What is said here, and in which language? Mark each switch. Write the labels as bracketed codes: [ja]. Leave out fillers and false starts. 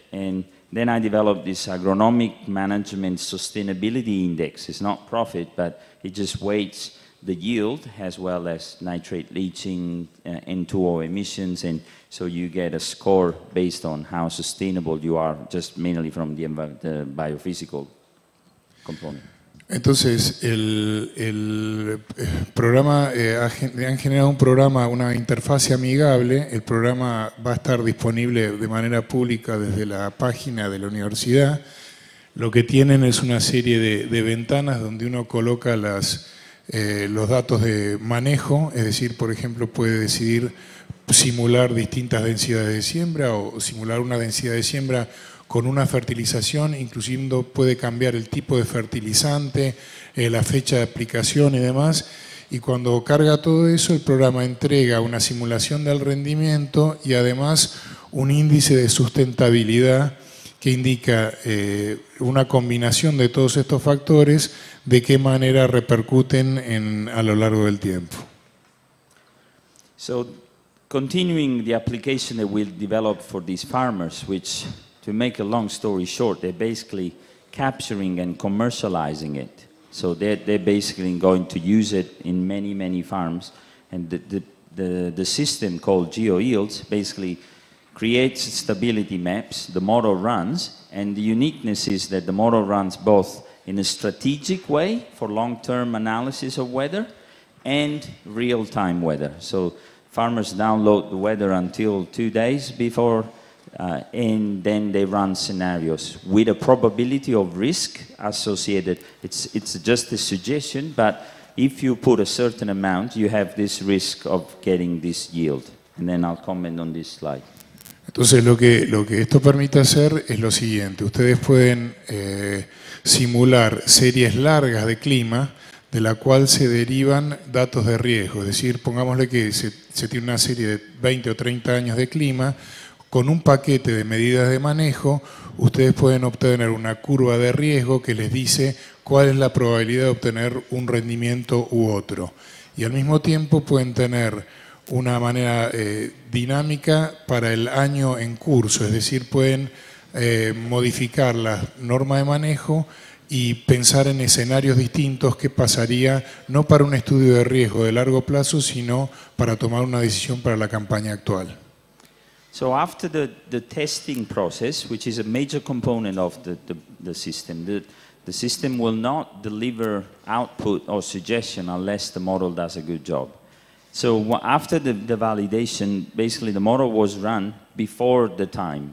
[en] And then I developed this agronomic management sustainability index. It's not profit, but it just weights the yield as well as nitrate leaching, N2O emissions, and so you get a score based on how sustainable you are, just mainly from the biophysical component. [es] Entonces, el programa han generado un programa, una interfaz amigable. El programa va a estar disponible de manera pública desde la página de la universidad. Lo que tienen es una serie de ventanas donde uno coloca los datos de manejo, es decir, por ejemplo, puede decidir simular distintas densidades de siembra o simular una densidad de siembra con una fertilización, incluyendo puede cambiar el tipo de fertilizante, la fecha de aplicación y demás. Y cuando carga todo eso, el programa entrega una simulación del rendimiento y además un índice de sustentabilidad que indica una combinación de todos estos factores, de qué manera repercuten a lo largo del tiempo. [en] So, continuing the application that we'll develop for these farmers, which, to make a long story short, they're basically capturing and commercializing it. So they're basically going to use it in many, many farms. And the system called GeoYields basically creates stability maps, the model runs, and the uniqueness is that the model runs both in a strategic way for long-term analysis of weather and real-time weather. So farmers download the weather until 2 days before, and then they run scenarios with a probability of risk associated. It's just a suggestion, but if you put a certain amount, you have this risk of getting this yield. And then I'll comment on this slide. [es] Entonces, lo que esto permite hacer es lo siguiente. Ustedes pueden simular series largas de clima de la cual se derivan datos de riesgo. Es decir, pongámosle que se tiene una serie de 20 o 30 años de clima. Con un paquete de medidas de manejo, ustedes pueden obtener una curva de riesgo que les dice cuál es la probabilidad de obtener un rendimiento u otro. Y al mismo tiempo pueden tener una manera dinámica para el año en curso, es decir, pueden modificar la norma de manejo y pensar en escenarios distintos, qué pasaría, no para un estudio de riesgo de largo plazo, sino para tomar una decisión para la campaña actual. [en] So after the testing process, which is a major component of the system, the system will not deliver output or suggestion unless the model does a good job. So after the validation, basically the model was run before the time.